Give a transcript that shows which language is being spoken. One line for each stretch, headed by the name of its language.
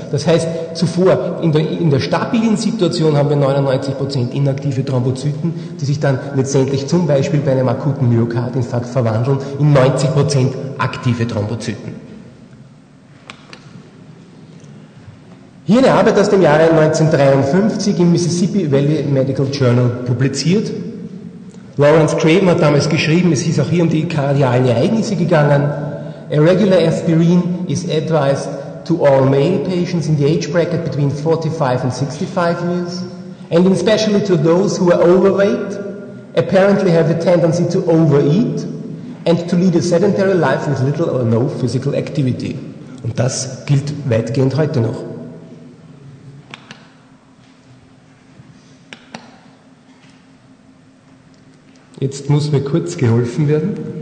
German: Das heißt, zuvor in der stabilen Situation haben wir 99% inaktive Thrombozyten, die sich dann letztendlich zum Beispiel bei einem akuten Myokardinfarkt verwandeln in 90% aktive Thrombozyten. Hier eine Arbeit aus dem Jahre 1953 im Mississippi Valley Medical Journal publiziert. Lawrence Craven hat damals geschrieben, es ist auch hier um die kardialen Ereignisse gegangen.
English: A regular aspirin is advised to all male patients in the age bracket between 45 and 65 years, and especially to those who are overweight, apparently have a tendency to overeat, and to lead a sedentary life with little or no physical activity.
German: Und das gilt weitgehend heute noch. Jetzt muss mir kurz geholfen werden.